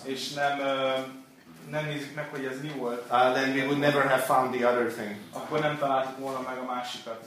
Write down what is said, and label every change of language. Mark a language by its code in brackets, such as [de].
[hu] és nem nem nézzük meg, hogy ez mi volt, [en] then we would never have found the other thing. [hu] Akkor nem találtuk volna meg a másikat.